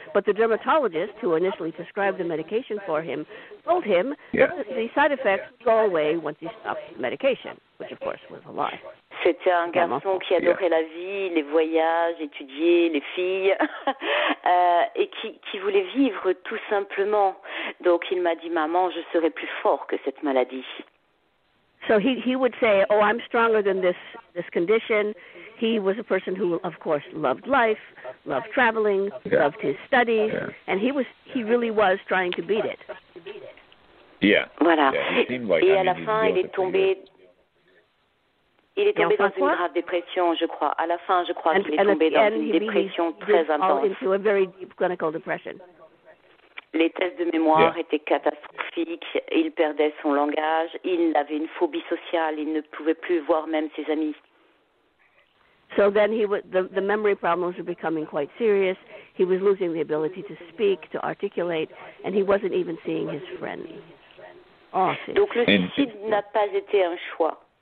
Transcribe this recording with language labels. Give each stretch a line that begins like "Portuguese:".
English: But the dermatologist who initially prescribed the medication for him told him yeah. that the side effects go away once he stopped the medication, which of course was a lie.
French: C'était un garçon qui adorait la vie, les voyages, étudier, les filles, et qui voulait vivre tout simplement. Donc il m'a dit, maman, je serai plus fort que cette maladie.
English: So he would say, oh, I'm stronger than this condition. He was a person who, of course, loved life, loved traveling, loved his studies, and he really was trying to beat it. Yeah.
French: Voilà.
English: Yeah,
French: et à la fin, il est tombé dans une grave dépression, je crois. À la fin, je crois qu'il est tombé dans une dépression très intense.
English: And into a very deep clinical depression.
French: Les tests de mémoire étaient catastrophiques. Il perdait son langage. Il avait une phobie sociale. Il ne pouvait plus voir même ses amis.
English: So then the memory problems were becoming quite serious. He was losing the ability to speak, to articulate, and he wasn't even seeing his friends. Oh,
French: donc le suicide n'a pas été un choix.